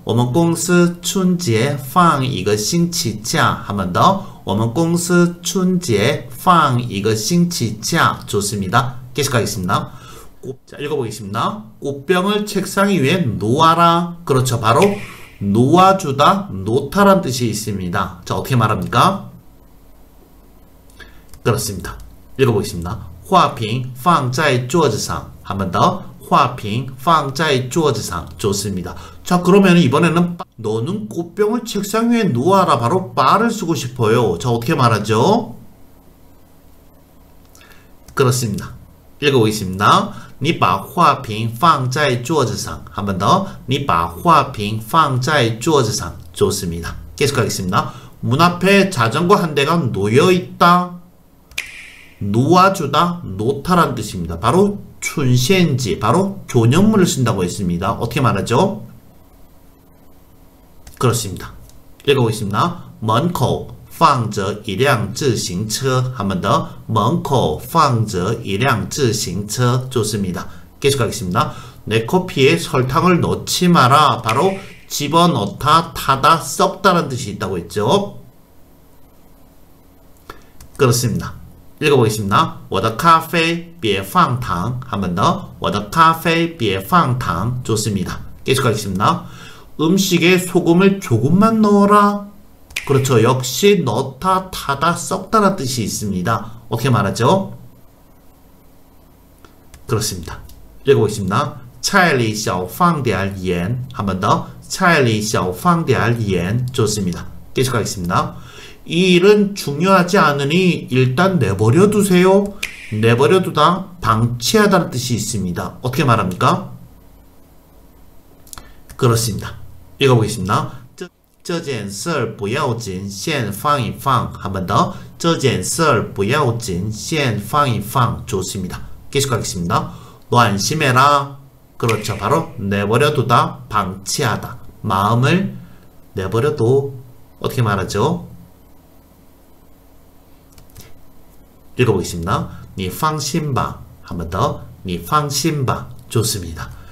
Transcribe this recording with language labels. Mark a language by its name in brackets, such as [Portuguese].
[Chinese] 我们公司春节放一个星期假. [Korean] 한번 더. [Chinese] 我们公司春节放一个星期假. [Korean] 좋습니다. 계속하겠습니다. 자, 읽어보겠습니다. 꽃병을 책상 위에 놓아라. 그렇죠. 바로 놓아주다, 놓다란 뜻이 있습니다. 자, 어떻게 말합니까? 그렇습니다. 읽어보겠습니다. [Chinese] 화瓶 放在桌子上. [Korean] 한번 더. [Chinese] 화瓶 放在桌子上. 좋습니다. [Korean] 자, 그러면 이번에는 너는 꽃병을 책상 위에 놓아라. 바로 바를 쓰고 싶어요. 자, 어떻게 말하죠? 그렇습니다. 읽어보겠습니다. [Chinese] 你把花瓶放在桌子上， [Korean] 한번 더. [Chinese] 你把花瓶放在桌子上，좋습니다。 [Korean] 계속하겠습니다。 문앞에자전거한 대가 놓여 있다. 놓아주다, 놓다란 뜻입니다. 바로 춘센지, 바로 존엿물을 쓴다고 했습니다. 어떻게 말하죠? 그렇습니다. 읽어보겠습니다. [Chinese] 门口 放着一辆自行车， [Korean] 한번 더. [Chinese] 门口放着一辆自行车，좋습니다。 [Korean] 계속하겠습니다。 내 커피에 설탕을 넣지 마라。 바로 집어넣다, 타다, 썩다라는 뜻이 있다고 했죠. 그렇습니다. 읽어보겠습니다. [Chinese] 我的咖啡别放糖， [Korean] 한번 더. [Chinese] 我的咖啡别放糖，좋습니다. [Korean] 계속 하겠습니다. 음식에 소금을 조금만 넣어라. 그렇죠. 역시 넣다, 타다, 썩다라는 뜻이 있습니다. 어떻게 말하죠? 그렇습니다. 읽어보겠습니다. [Chinese] 차이리 샤오 팡 디알 옌. [Korean] 한번 더. [Chinese] 차이리 샤오 팡 디알 옌. [Korean] 좋습니다. 계속하겠습니다. 이 일은 중요하지 않으니 일단 내버려 두세요. 내버려 두다, 방치하다는 뜻이 있습니다. 어떻게 말합니까? 그렇습니다. 읽어보겠습니다. [Chinese] 这件事不要紧，先放一放。 [Korean] 한번 더. [Chinese] 这件事不要紧，先放一放。 [Korean] 좋습니다. 계속하겠습니다. 안심해라. 그렇죠. 바로 내버려 두다, 방치하다. 마음을 내버려 둬. 어떻게 말하죠? 읽어보겠습니다. [Chinese] 你放心吧. [Korean] 한번 더. 你放心吧.좋습니다.